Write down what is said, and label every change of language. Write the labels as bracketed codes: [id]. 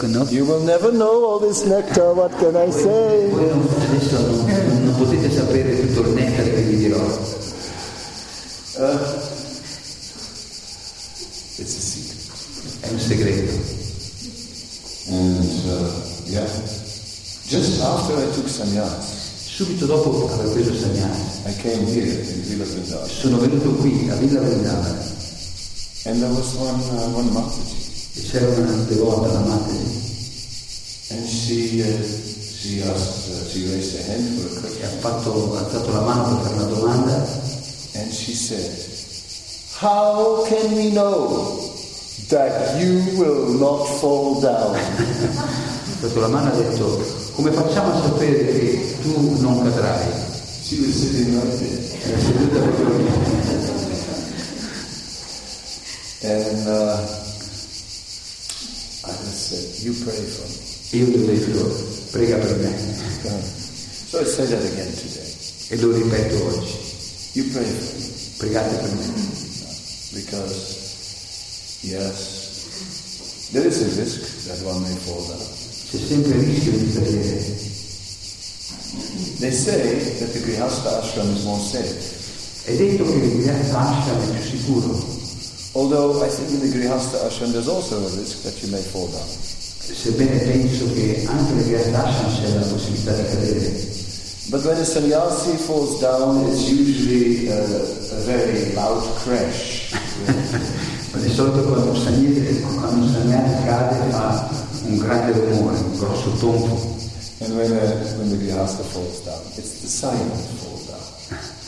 [en] you will never know all this nectar, what can I say? [it] Non potete sapere tutto il nectar che vi dirò. [en] It's a secret. [it] È un segreto. [en] And yeah. Just after I took sannyas. [it] Subito dopo aver preso sannyas. [en] I came here in Villa Vrindavan. [it] Sono venuto qui a Villa Vrindavan. [en] And there was one Mataji. [it] E c'era una devota, la Mataji. [en] And she asked, she raised her hand for a question. [it] E ha alzato la mano per fare una domanda. [en] And she said, how can we know that you will not fall down? [it] Dato la mano ha detto, come facciamo a sapere che tu non cadrai? [en] She was sitting right there. [it] Era seduta proprio lì. [en] And I just said, you pray for me. [it] Io le ho detto, prega per me. [en] So I say that again today. [it] E lo ripeto oggi. [en] You pray for me. [it] Pregate per me. [en] Because, yes, there is a risk that one may fall down. [it] C'è sempre il rischio di cadere. [en] They say that the Grihastha ashram is more safe. [it] È detto che il Grihastha ashram è più sicuro. [en] Although I think in the Grihastha ashram there's also a risk that you may fall down. [it] Sebbene penso che anche nel Grihastha ashram c'è la possibilità di cadere. [en] But when a sannyasi falls down, it's usually a very loud crash. [it] Ma di solito quando un sannyasi cade fa un grande rumore, un grosso tonfo. [en] And when the Grihastha falls down, it's the sign of fall down.